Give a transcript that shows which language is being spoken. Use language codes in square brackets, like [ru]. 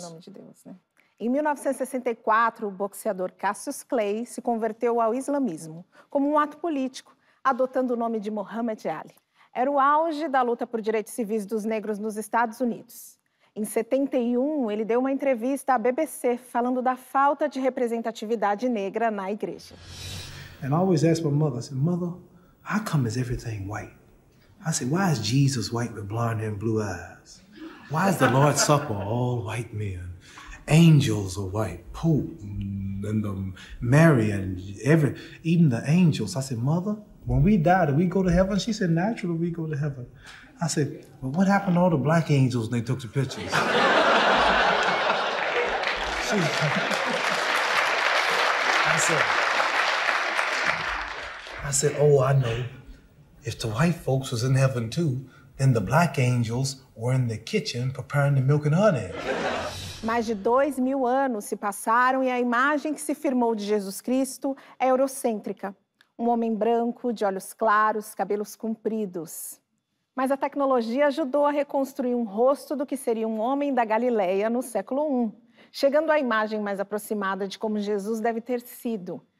[pt] Em nome de Deus, né? Em 1964, o boxeador Cassius Clay se converteu ao islamismo como um ato político, adotando o nome de Muhammad Ali. Era o auge da luta por direitos civis dos negros nos Estados Unidos. Em 71, ele deu uma entrevista à BBC falando da falta de representatividade negra na igreja. [en] And I always asked my mother, I said, "Mother, how come is everything white? I said, why is Jesus white with blonde hair and blue eyes? Why is the Lord's Supper all white men? Angels are white, Pope and Mary and even the angels." I said, "Mother, when we die, do we go to heaven?" She said, "Naturally, we go to heaven." I said, "Well, what happened to all the black angels when they took the pictures?" I said, "Oh, I know. If the white folks was in heaven too, then the black angels were in the kitchen preparing the milk and honey." [pt] Mais de 2000 anos se passaram e a imagem que se firmou de Jesus Cristo é eurocêntrica. Um homem branco, de olhos claros, cabelos compridos. Mas a tecnologia ajudou a reconstruir um rosto do que seria um homem da Galileia no século I, chegando à imagem mais aproximada de como Jesus deve ter sido.